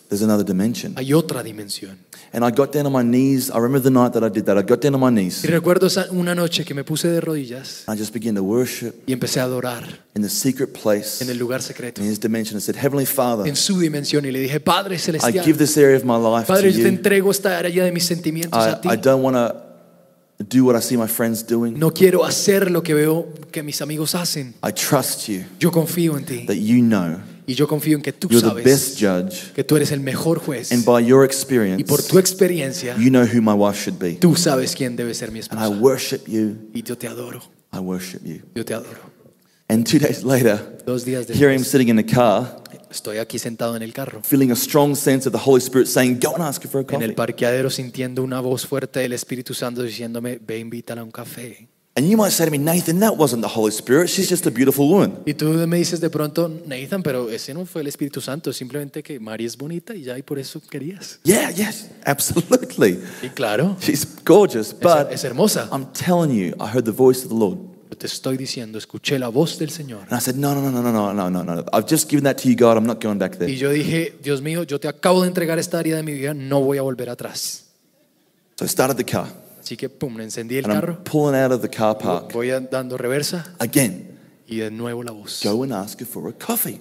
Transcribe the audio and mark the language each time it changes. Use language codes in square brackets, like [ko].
[en] There's another dimension. [es] Hay otra dimensión. [en] And I got down on my knees. I remember the night that I did that. I got down on my knees. [es] Y recuerdo una noche que me puse de rodillas. [en] I just began to worship. [es] Y empecé a adorar. [en] In the secret place. [es] En el lugar secreto. [en] In His dimension, I said, Heavenly Father. [es] En su dimensión y le dije, Padre celestial. [en] I give this area of my life [es] Padre, [en] to you. [es] Padre, yo te entrego esta área de mis sentimientos a ti. [en] I don't want to do what I see my friends doing. [es] No quiero hacer lo que veo que mis amigos hacen. [en] I trust you. [es] Yo confío en ti. [en] That you know. [es] Y yo confío en que tú [en] You're [es] sabes [en] the best judge. [es] Que tú eres el mejor juez. [en] And by your experience, [es] y por tu experiencia, [en] you know who my wife should be. [es] Tú sabes quién debe ser mi esposa. [en] And I worship you. [es] Y yo te adoro. [en] I worship you. [es] Yo te adoro. [en] And 2 days later, [es] dos días después, [en] here I am sitting in the car. [es] Estoy aquí sentado en el carro. [en] Feeling a strong sense of the Holy Spirit saying, "Go and ask her for a coffee." [es] En el parqueadero sintiendo una voz fuerte del Espíritu Santo diciéndome, "Ve, invítala a un café." [en] And you might say to me, "Nathan, that wasn't the Holy Spirit. She's just a beautiful woman." [es] Y tú me dices de pronto, "Nathan, pero ese no fue el Espíritu Santo, simplemente que Mary es bonita y ya y por eso querías." [en] Yeah, yes, absolutely. [es] Y claro. [en] She's gorgeous, but [es] es hermosa. [en] I'm telling you, I heard the voice of the Lord. [es] Te estoy diciendo, escuché la voz del Señor. [en] And I said, no. I've just given that to you, God. I'm not going back there. [es] Y yo dije, Dios mío, yo te acabo de entregar esta área de mi vida. No voy a volver atrás. [en] So I started the car. [es] Así que, pum, encendí el [en] and [es] carro. [en] I'm pulling out of the car park. [es] Voy dando reversa. [en] Again. [es] Y de nuevo la voz. [en] Go and ask her for a coffee.